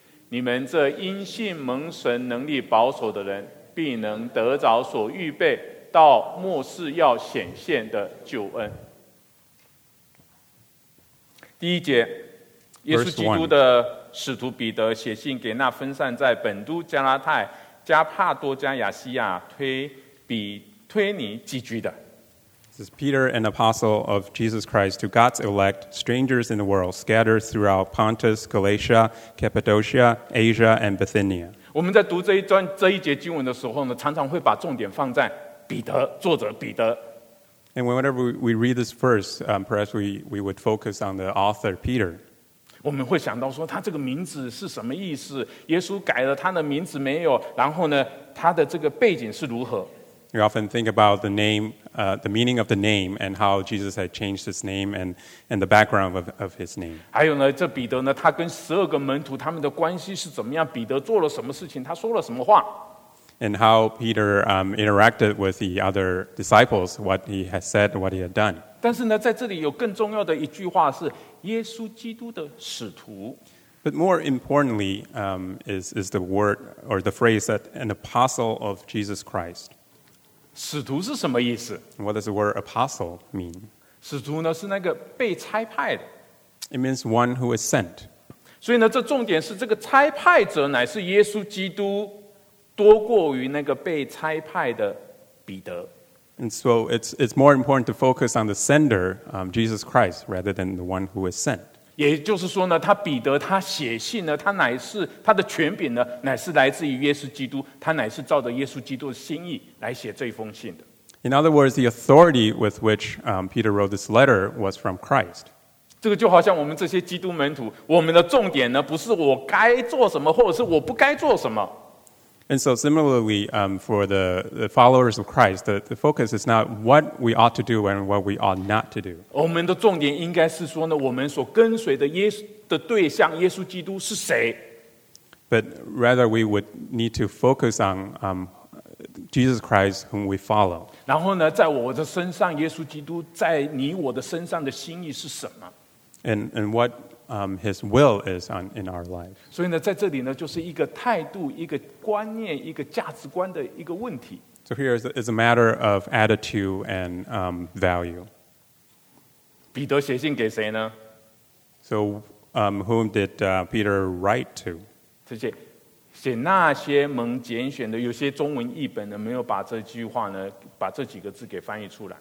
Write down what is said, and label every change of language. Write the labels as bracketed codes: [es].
[zh] 你们这因信蒙神能力保守的人，必能得着所预备到末世要显现的救恩。第一节，耶稣基督的使徒彼得写信给那分散在本都、加拉太、加帕多加、亚西亚、推尼寄居的。 [en] This is Peter, an apostle of Jesus Christ, to God's elect, strangers in the world, scattered throughout Pontus, Galatia, Cappadocia, Asia, and Bithynia. [zh] 我们在读这一段这一节经文的时候呢，常常会把重点放在彼得，作者彼得。 [en] And whenever we read this verse, perhaps we would focus on the author Peter. [zh] 我们会想到说，他这个名字是什么意思？耶稣改了他的名字没有？然后呢，他的这个背景是如何？ [en] We often think about the name, the meaning of the name, and how Jesus had changed his name and the background of his name. [zh] 还有呢，这彼得呢，他跟十二个门徒他们的关系是怎么样？彼得做了什么事情？他说了什么话 [en] ？And how Peter interacted with the other disciples? What he had said, what he had done? [zh] 但是呢，在这里有更重要的一句话是耶稣基督的使徒。 [en] But more importantly, is the word or the phrase that an apostle of Jesus Christ. [zh] 使徒是什么意思？ [en] What does the word apostle mean? [zh] 使徒呢是那个被差派的。 [en] It means one who is sent. [zh] 所以呢，这重点是这个差派者乃是耶稣基督，多过于那个被差派的彼得。 [en] And so it's more important to focus on the sender, Jesus Christ, rather than the one who is sent. [zh] 也就是说呢，他彼得他写信呢，他乃是他的权柄呢，乃是来自于耶稣基督，他乃是照着耶稣基督的心意来写这封信的。 [en] In other words, the authority with which Peter wrote this letter was from Christ. [zh] 这个就好像我们这些基督门徒，我们的重点呢，不是我该做什么，或者是我不该做什么。 [en] And so similarly, for the followers of Christ, the focus is not what we ought to do and what we ought not to do. [zh] 我们的重点应该是说呢，我们所跟随的耶稣的对象耶稣基督是谁。 [en] But rather we would need to focus on Jesus Christ whom we follow. [zh] 然后呢，在我的身上耶稣基督在你我的身上的心意是什么。 [en] And whatHis will is on in our life. [zh] 所以呢，在这里呢，就是一个态度、一个观念、一个价值观的一个问题。 [en] So here is a matter of attitude and value. [zh] 彼得写信给谁呢 [en] ？So whom did Peter write to? [zh] 这些写那些蒙拣选的，有些中文译本呢，没有把这句话呢，把这几个字给翻译出来。